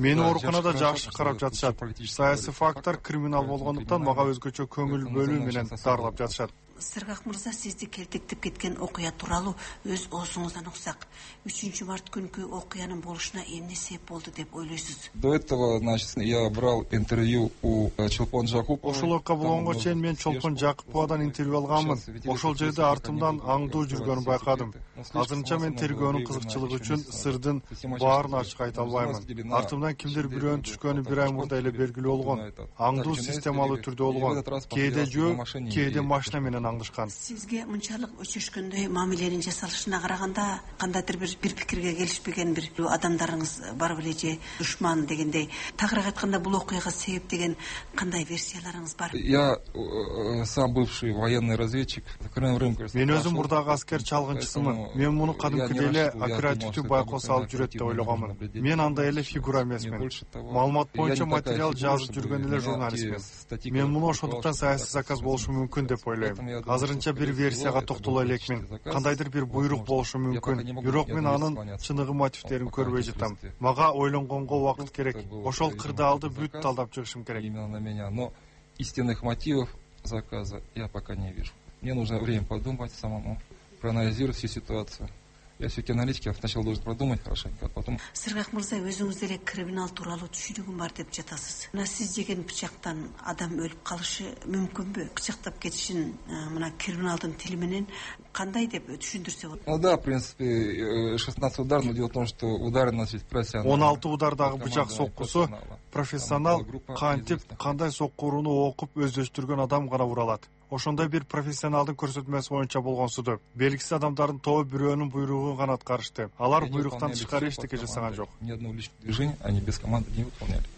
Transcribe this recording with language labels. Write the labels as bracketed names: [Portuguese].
[Kyrgyz] Мени ооруканада жакшы карап жатышат. Саясий фактор криминал болгондуктан мага өзгөчө көңүл бөлүү менен дарылап жатышат. Сыргак мырза сизди келтектип кеткен окуя тууралуу өз оозуңуздан уксак, 3 март күнкү окуянын болушуна эмне себеп болду деп ойлойсуз? [Russian] До этого, значит, я брал интервью у Чолпон Жакупова. [Kyrgyz] Ошол окуяга чейин мен Чолпон Жакуповадан интервью алганмын. Ошол жерде артымдан аңдуу жүргөнүн байкадым. Азырынча мен тергөөнүн кызыкчылыгы үчүн сырдын баарын ачык айта албаймын. Артымдан кимдир бирөөнүн түшкөнү бир ай мурда эле белгилүү болгон. Аңдуу системалуу түрдө болгон. Кээде жөө, кээде машина менен аңдышкан. Сизге мынчалык өчүшкөндөй мамиленин жасалышына караганда кандайдыр бир пикирге келишпеген бир адамдарыңыз бар беле же душман дегендей. Тагыраак айтканда бул окуяга себеп деген кандай версияларыңыз бар? [Russian] Я сам бывший военный разведчик. [Kyrgyz] Мен өзүм мурдагы аскер чалгынчысымын. Мен муну кадимкидей эле оперативдүү байкоо салып жүрөт деп ойлогомун. Мен андай эле фигура эмесмин. Маалымат боюнча материал жазып жүргөн эле журналистмин. Мен муну ошондуктан саясий заказ болушу мүмкүн деп ойлойм. Азырынча бир версияга токтоло элекмин. Кандайдыр бир буйрук болушу мүмкүн. Бирок мен анын чыныгы мотивдерин көрбөй жатам. Мага ойлонгонго убакыт керек. Ошол кырдаалды бүт талдап чыгышым керек. [Russian] Но истинных мотивов заказа я пока не вижу. Мне нужно время подумать самому, проанализировать всю ситуацию. Я все-таки аналитики, сначала должен продумать хорошенько, а потом... [Kyrgyz] Сыргак мырза, өзүңүз эле криминал тууралуу түшүнүгүм бар деп жатасыз. Мына сиз деген пычактан адам өлүп калышы мүмкүнбү? Пычактап кетишин мына криминалдын тили менен кандай деп түшүндүрсө болот? [Russian] Ну да, в принципе, 16 удар, но дело в том, что удары носит профессионал. [Kyrgyz] 16 удардагы бычак соккусу профессионал кантип, кандай соккурууну окуп өздөштүргөн адам гана ура алат. Ошондой бир профессионалдын көрсөтмөсү боюнча болгон суду. Белгисиз адамдардын тобу бирөөнүн буйругун гана аткарышты. Алар буйруктан тышкары эчтеке жасаган жок. [Russian] Ни одно личное движение, они без команды не выполняли.